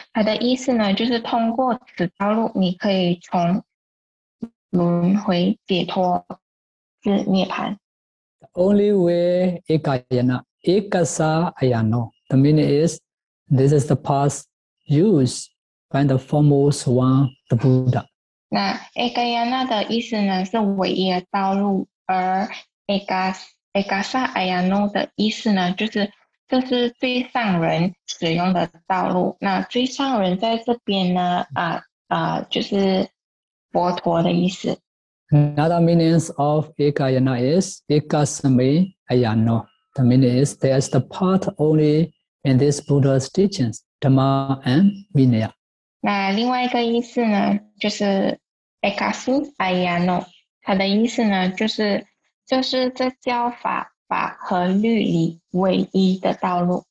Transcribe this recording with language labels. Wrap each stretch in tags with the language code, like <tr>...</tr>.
<zh>它的意思呢，就是通过此道路，你可以从轮回解脱至涅槃。</zh> <en>The only way ekayana, ekasa ayano. The meaning is, this is the path used by the foremost one, the Buddha.</en> <zh>那 ekayana 的意思呢，是唯一的道路，而 ekasa ayano 的意思呢，就是这是最上人使用的道路。那最上人在这边呢，就是佛陀的意思。</zh> <en>Another meaning of ekayana is ekasame ayano. The meaning is there is the path only in this Buddha's teachings, Dhamma and Vinaya.</en> <zh>那另外一个意思呢，就是 ekasu ayano. 它的意思呢，就是这教法法和律里唯一的道路。</zh>